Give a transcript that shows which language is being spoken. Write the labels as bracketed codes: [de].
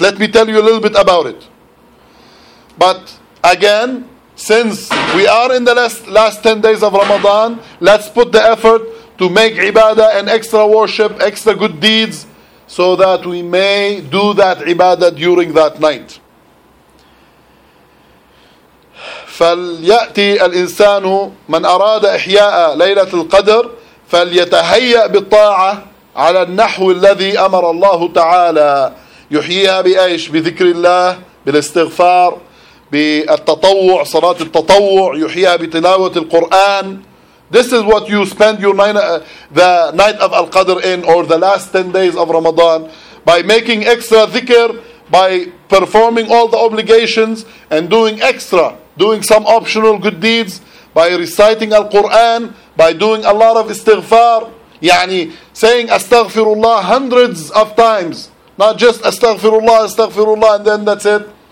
[en] Let me tell you a little bit about it. But again, since we are in the last 10 days of Ramadan, let's put the effort to make ibadah and extra worship, extra good deeds, so that we may do that ibadah during that night. [ar] فليأتي الإنسان من أراد إحياء ليلة القدر فليتهيأ بالطاعة على النحو الذي أمر الله تعالى. يحييها بأيش؟ بذكر الله، بالاستغفار، بالتطوع، صلاة التطوع، يحييها بتلاوة القرآن، [en] This is what you spend your the night of Al-Qadr in, or the last 10 days of Ramadan, by making extra dhikr, by performing all the obligations and doing extra, doing some optional good deeds, by reciting Al-Quran, by doing a lot of istighfar, yani saying astaghfirullah hundreds of times, not just astaghfirullah, astaghfirullah, and then that's it.